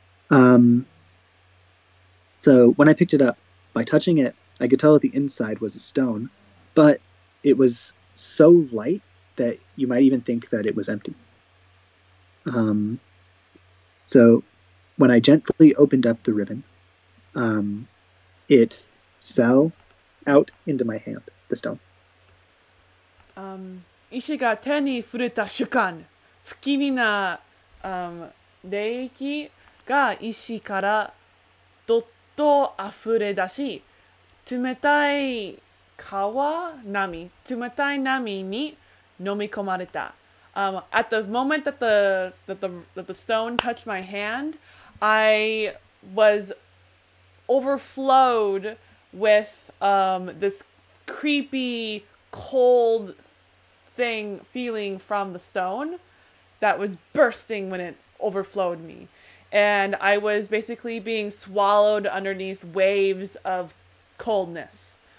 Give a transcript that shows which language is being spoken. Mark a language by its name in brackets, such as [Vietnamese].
[English] So when I picked it up, by touching it, I could tell that the inside was a stone, but it was so light that you might even think that it was empty. So when I gently opened up the ribbon, it fell out into my hand, the stone. [Japanese] 石が手に触れた瞬間、不気味な霊気が石からどっと溢れ出し、冷たい川波、冷たい波に飲み込まれた。 [English] At the moment that the stone touched my hand, I was overflowed with this creepy cold thing feeling from the stone that was bursting when it overflowed me, and I was basically being swallowed underneath waves of coldness.